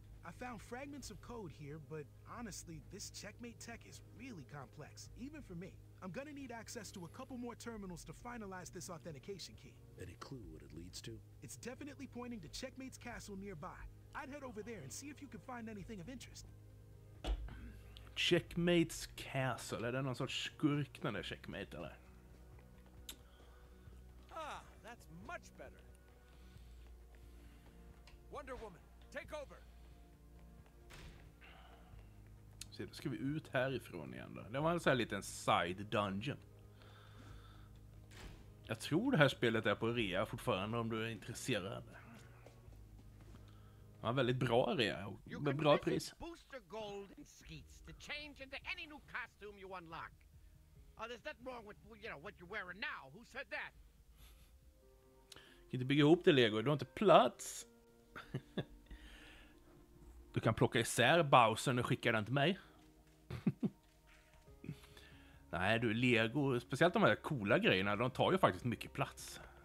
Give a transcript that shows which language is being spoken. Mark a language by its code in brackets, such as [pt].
[en] I found fragments of code here, but honestly, this checkmate tech is really complex, even for me. I'm gonna need access to a couple more terminals to finalize this authentication key. Any clue what it leads to? It's definitely pointing to Checkmate's castle nearby. I'd head over there and see if you can find anything of interest. Checkmate's castle. [sv] Är det någon sorts skurk när det är Checkmate, eller? [en] Ah, that's much better. Wonder Woman, take over. [sv] Så då ska vi ut härifrån igen då. Det var en sån här liten side dungeon. Jag tror det här spelet är på rea fortfarande om du är intresserad. Ja, väldigt bra rea och med bra pris. [en] Booster gold and skeets to change into any new costume you unlock. There's nothing wrong with, you know, what you're wearing now. Who said that? [sv] Kan inte bygga ihop det, Lego. Du har inte plats. Du kan plocka isär Bowser och skicka den till mig. Nej, du, Lego, speciellt de här coola grejerna, de tar ju faktiskt mycket plats.